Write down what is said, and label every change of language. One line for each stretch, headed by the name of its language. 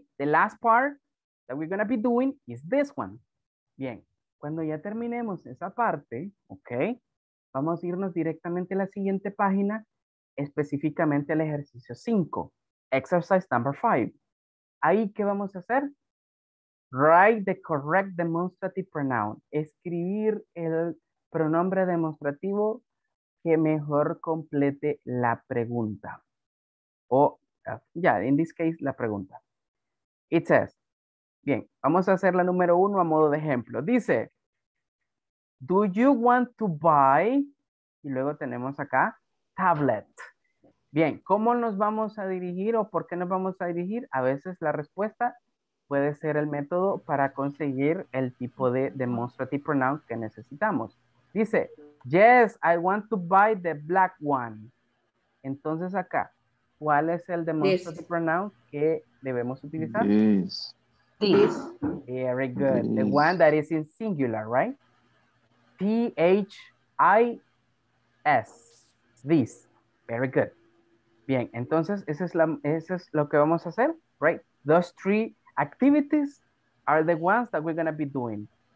English: The last part that we're going to be doing is this one.
Spanish: Bien, cuando ya terminemos esa parte, ¿ok? Vamos a irnos directamente a la siguiente página, específicamente al ejercicio 5, exercise number 5. Ahí, ¿qué vamos a hacer? Write the correct demonstrative pronoun. Escribir el pronombre demostrativo que mejor complete la pregunta. O, in this case, la pregunta. It says, bien, vamos a hacer la número uno a modo de ejemplo.
English: Dice, do you want to buy?
Spanish: Y luego tenemos acá, tablet. Bien, ¿cómo nos vamos a dirigir o por qué nos vamos a dirigir? A veces la respuesta puede ser el método para conseguir el tipo de demonstrative pronoun que necesitamos.
English: Dice, yes, I want to buy the black one.
Spanish: Entonces acá, ¿cuál es el demonstrative pronoun que debemos utilizar?
English: Yes. This. Very good. This. The one that is in singular, right? T-H-I-S. This. Very good.
Spanish: Bien, entonces, eso es lo que vamos a hacer, right?
English: Those three activities are the ones that we're going to be doing.